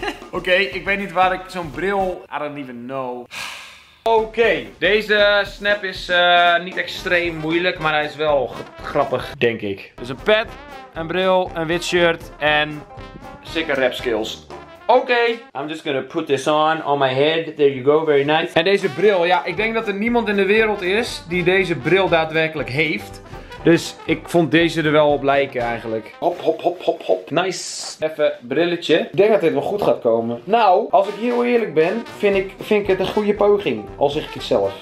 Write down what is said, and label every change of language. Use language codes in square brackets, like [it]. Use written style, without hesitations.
[nl] Oké, ik weet niet waar ik zo'n bril. [en] I don't even know. [nl] Oké, deze snap is niet extreem moeilijk, maar hij is wel grappig, denk ik. Dus een pet, een bril, een wit shirt en [en] sicker rap skills. [nl] Oké, okay. [en] I'm just gonna put this on my head, there you go, very nice. [nl] En deze bril, ja, ik denk dat er niemand in de wereld is die deze bril daadwerkelijk heeft. Dus ik vond deze er wel op lijken eigenlijk. Hop, hop, hop, hop, hop. Nice. Even brilletje. Ik denk dat dit wel goed gaat komen. Nou, als ik heel eerlijk ben, vind ik het een goede poging, al zeg ik het zelf.